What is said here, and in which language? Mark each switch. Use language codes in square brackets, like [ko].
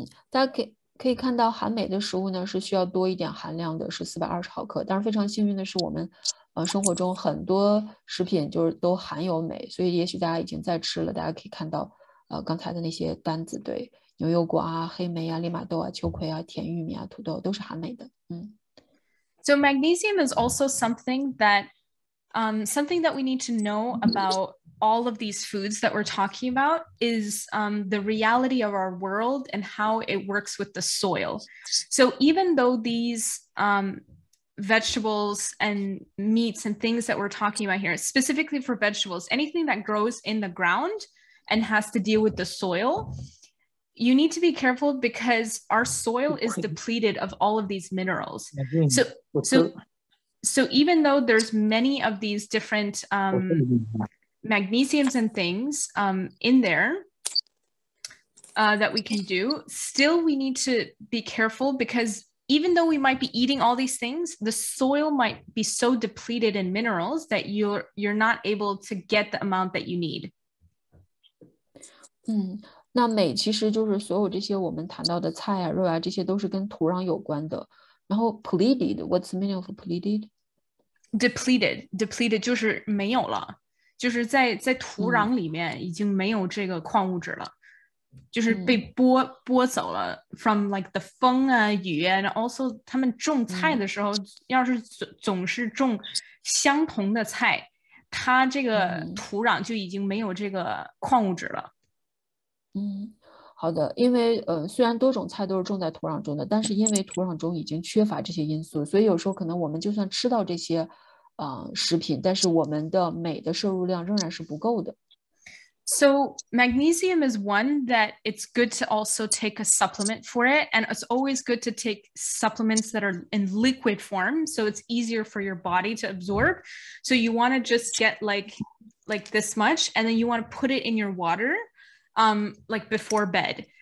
[zh] 大家可以看到含镁的食物呢是需要多一点含量的，是420毫克。但是非常幸运的是我们生活中很多食品就是都含有镁，所以也许大家已经在吃了，大家可以看到刚才的那些单子，对，牛油果啊，黑莓啊，利马豆啊，秋葵啊，甜玉米啊，土豆都是含镁的。 [en] So magnesium is also something that we need to know about all of these foods that we're talking about is the reality of our world and how it works with the soil. So even though these vegetables and meats and things that we're talking about here, specifically for vegetables, anything that grows in the ground and has to deal with the soil, you need to be careful because our soil is depleted of all of these minerals. So even though there's many of these different magnesiums and things in there that we can do, still we need to be careful because even though we might be eating all these things, the soil might be so depleted in minerals that you're not able to get the amount that you need. [zh] 那镁其实就是所有这些我们谈到的菜啊、肉啊，这些都是跟土壤有关的。然后 [en] depleted, what's the meaning of depleted? [zh] Depleted 就是没有了。就是在土壤里面已经没有这个矿物质了，就是被剥走了。 [en] From like the [zh] 风啊雨啊 ， [en] and also [zh] 他们种菜的时候，要是总是种相同的菜，它这个土壤就已经没有这个矿物质了。好的，因为虽然多种菜都是种在土壤中的，但是因为土壤中已经缺乏这些因素，所以有时候可能我们就算吃到这些食品，但是我们的镁的摄入量仍然是不够的。 [en] So magnesium is one that it's good to also take a supplement for it, and it's always good to take supplements that are in liquid form, so it's easier for your body to absorb. So you want to just get like this much, and then you want to put it in your water, like before bed.